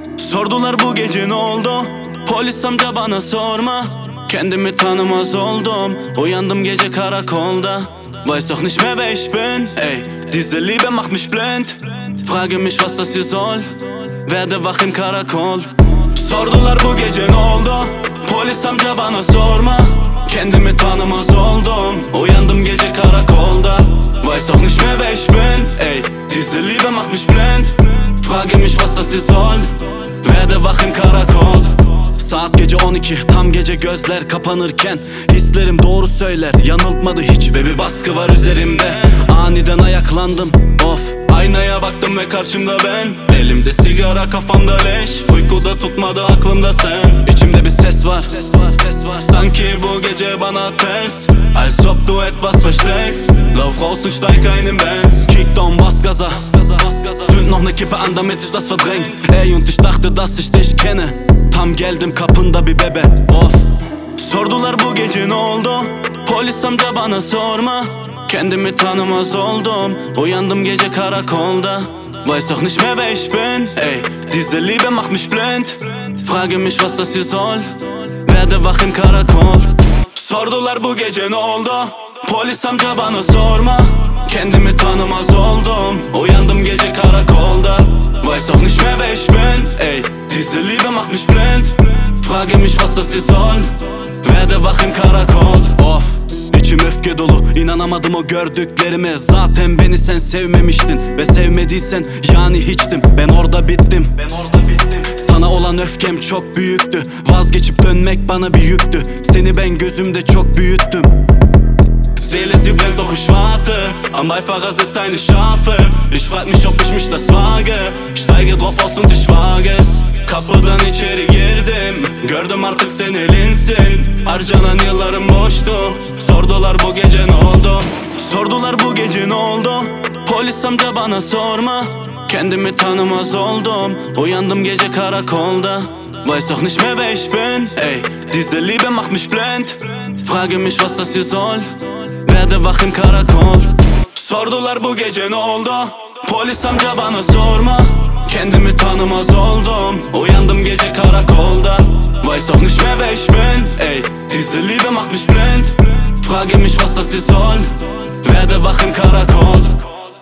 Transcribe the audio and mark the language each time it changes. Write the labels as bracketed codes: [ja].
[tr] Sordular bu gece ne oldu? Polis amca bana sorma. Kendimi tanımaz oldum. Uyandım gece karakolda. [de] Weiß doch nicht mehr wer ich bin. Ey, diese Liebe macht mich blind. Frage mich was das hier soll. Werde wach im Karakol. [tr] Sordular bu gece ne oldu? Polis amca bana sorma. Kendimi tanımaz oldum. Uyandım gece karakolda. [de] Weiß doch nicht mehr wer ich bin. Ey, diese Liebe macht mich blind. Frage mich was das hier soll. Werde wach im Karakol. [tr] Saat gece 12, tam gece gözler kapanırken. Hislerim doğru söyler, yanıltmadı hiç ve bir baskı var üzerimde. Aniden ayaklandım, of. Aynaya baktım ve karşımda ben. Elimde sigara, kafamda leş. Uykuda tutmadı, aklımda sen. İçimde bir ses var, sanki bu gece bana ters. [de] Als ob du etwas versteckst. Lauf raus und steig ein im Benz. Kickdown, Bass, Gaza. Zünd noch ne Kippe an, damit ich das verdräng. Ey, und ich dachte, dass ich dich kenne. [tr] Tam geldim kapında bir bebe, of. Sordular bu gece ne oldu? Polis amca bana sorma. Kendimi tanımaz oldum. Uyandım gece karakolda. [de] Weiß doch nicht mehr wer ich bin. Ey, diese Liebe macht mich blind. Frage mich was das hier soll. Werde wach im Karakol. [tr] Sordular bu gece ne oldu? Polis amca bana sorma. Kendimi tanımaz oldum. Uyandım gece karakolda. [de] Weiß doch nicht mehr wer ich bin. Ey, diese Liebe macht mich blind. Frage mich was das hier soll. Werde wach im Karakol. Of. [tr] İçim öfke dolu, inanamadım o gördüklerime. Zaten beni sen sevmemiştin. Ve sevmediysen yani hiçtim. Ben orada bittim. Sana olan öfkem çok büyüktü. Vazgeçip dönmek bana bir yüktü. Seni ben gözümde çok büyüttüm. [de] Seele, sie brennt, doch ich warte. Am Beifahrer sitzt eine Schafe. Ich frag mich, ob ich mich das wage. Steige drauf aus und ich wage es. [tr] Kapıdan içeri girdim. Gördüm artık sen elinsin. Harcanan yıllarım boştu. Sordular bu gece ne oldu? Sordular bu gece ne oldu? Polis amca bana sorma. Kendimi tanımaz oldum. Uyandım gece karakolda. [de] Weiß doch nicht mehr wer ich bin. Ey, diese Liebe macht mich blind. Frage mich was das hier soll. Werde wach im Karakol. [tr] Sordular bu gece ne oldu? Polis amca bana sorma. Kendimi tanımaz oldum. Uyandım gece karakolda. [de] Weiß doch nicht mehr wer ich bin. Ey, diese Liebe macht mich blind. Frage mich was das hier soll. Werde wach im Karakol.